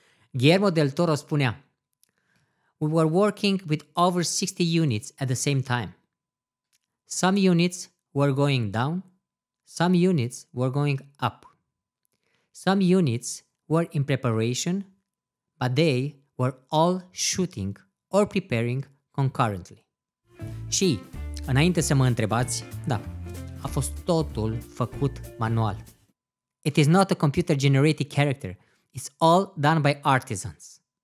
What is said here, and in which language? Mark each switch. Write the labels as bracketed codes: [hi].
[en] Guillermo del Toro [ro] spunea: [en] "We were working with over 60 units at the same time. Some units were going down, some units were going up. Some units were in preparation, but they were all shooting or preparing concurrently." [ro] Și, înainte să mă întrebați, da, a fost totul făcut manual. [en] It is not a computer-generated character. It's all done by artisans.